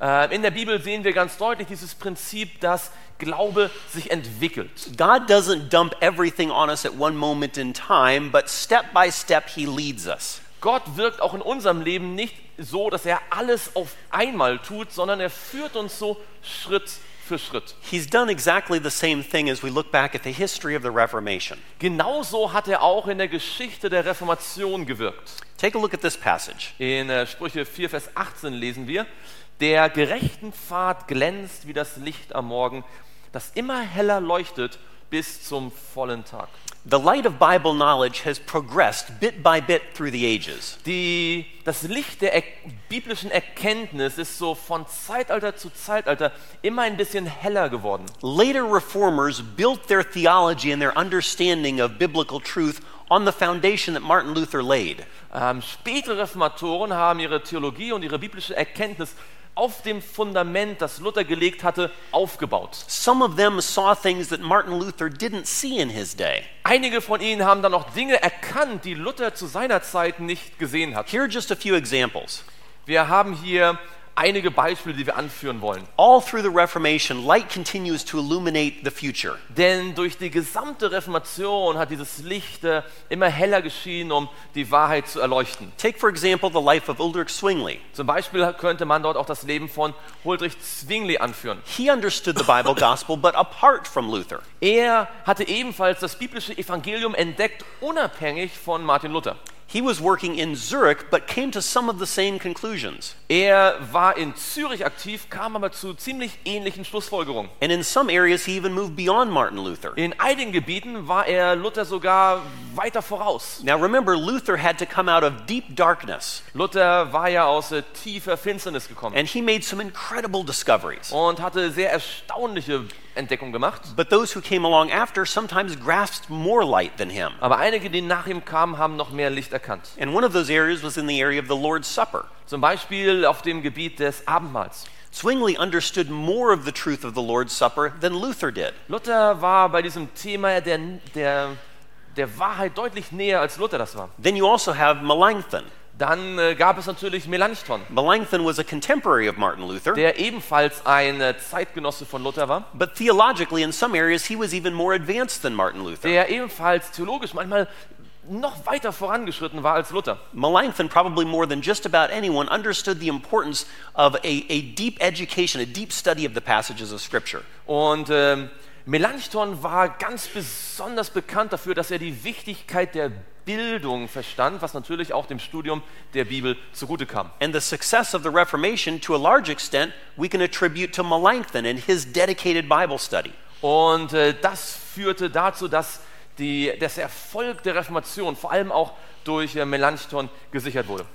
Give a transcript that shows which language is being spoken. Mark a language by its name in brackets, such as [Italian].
[German] In der Bibel sehen wir ganz deutlich dieses Prinzip, dass Glaube sich entwickelt. [English] God doesn't dump everything on us at one moment in time, but step by step he leads us. [German] Gott wirkt auch in unserem Leben nicht so, dass er alles auf einmal tut, sondern er führt uns so Schritt für Schritt. [English] He's done exactly the same thing as we look back at the history of the Reformation. [German] Genauso hat er auch in der Geschichte der Reformation gewirkt. [English] Take a look at this passage. [German] In Sprüche 4, Vers 18 lesen wir: Der gerechten Pfad glänzt wie das Licht am Morgen, das immer heller leuchtet, bis zum vollen Tag. [English] The light of Bible knowledge has progressed bit by bit through the ages. [German] Das Licht der biblischen Erkenntnis ist so von Zeitalter zu Zeitalter immer ein bisschen heller geworden. [English] Later reformers built their theology and their understanding of biblical truth on the foundation that Martin Luther laid. [German] Spätere Reformatoren haben ihre Theologie und ihre biblische Erkenntnis auf dem Fundament, das Luther gelegt hatte, aufgebaut. [English] Some of them saw things that Martin Luther didn't see in his day. [German] Einige von ihnen haben dann auch Dinge erkannt, die Luther zu seiner Zeit nicht gesehen hat. [English] Here are just a few examples. [German] Wir haben hier einige Beispiele, die wir anführen wollen. [English] All through the Reformation, light continues to illuminate the future. [German] Denn durch die gesamte Reformation hat dieses Licht immer heller geschienen, um die Wahrheit zu erleuchten. [English] Take for example the life of Ulrich Zwingli. [German] Zum Beispiel könnte man dort auch das Leben von Huldrych Zwingli anführen. [English] He understood the Bible gospel, but apart from Luther. [German] Er hatte ebenfalls das biblische Evangelium entdeckt, unabhängig von Martin Luther. [English] He was working in Zurich, but came to some of the same conclusions. [German] Er war in Zürich aktiv, kam aber zu ziemlich ähnlichen Schlussfolgerungen. [English] And in some areas, he even moved beyond Martin Luther. [German] In einigen Gebieten war er Luther sogar weiter voraus. [English] Now remember, Luther had to come out of deep darkness. [German] Luther war ja aus tiefer Finsternis gekommen. [English] And he made some incredible discoveries. [German] Und hatte sehr erstaunliche Entdeckung gemacht. [English] But those who came along after sometimes grasped more light than him. [German] Aber einige, die nach ihm kamen, haben noch mehr Licht erkannt. [English] And one of those areas was in the area of the Lord's Supper. [German] Zum Beispiel auf dem Gebiet des Abendmahls. [English] Zwingli understood more of the truth of the Lord's Supper than Luther did. [German] Luther war bei diesem Thema der Wahrheit deutlich näher als Luther das war. [English] Then you also have Melanchthon. [German] Dann gab es natürlich Melanchthon. [English] Melanchthon was a contemporary of Martin Luther. [German] Der ebenfalls ein Zeitgenosse von Luther war. [English] But theologically, in some areas, he was even more advanced than Martin Luther. [German] Der ebenfalls theologisch manchmal noch weiter vorangeschritten war als Luther. [English] Melanchthon, probably more than just about anyone, understood the importance of a deep education, a deep study of the passages of Scripture. [German] Und Melanchthon war ganz besonders bekannt dafür, dass er die Wichtigkeit der Bildung verstand, was natürlich auch dem Studium der Bibel zugute kam. [English] And the success of the Reformation to a large extent we can attribute to Melanchthon and his dedicated Bible study. [German] Und das führte dazu, dass der Erfolg der Reformation vor allem auch durch Melanchthon gesichert wurde.